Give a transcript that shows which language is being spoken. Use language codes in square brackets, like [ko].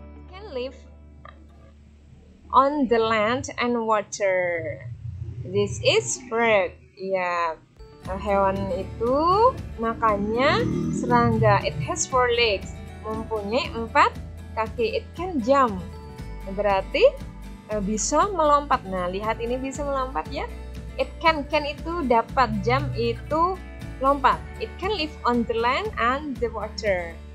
[en] It can live on the land and water. This is frog. Yeah. [id] Hewan itu makannya serangga. [en] It has four legs. [id] Mempunyai empat kaki. [en] It can jump. [id] Berarti bisa melompat. Nah, lihat ini bisa melompat ya. [en] It can [id] itu dapat, [en] jump [id] itu lompat. [en] It can live on the land and the water.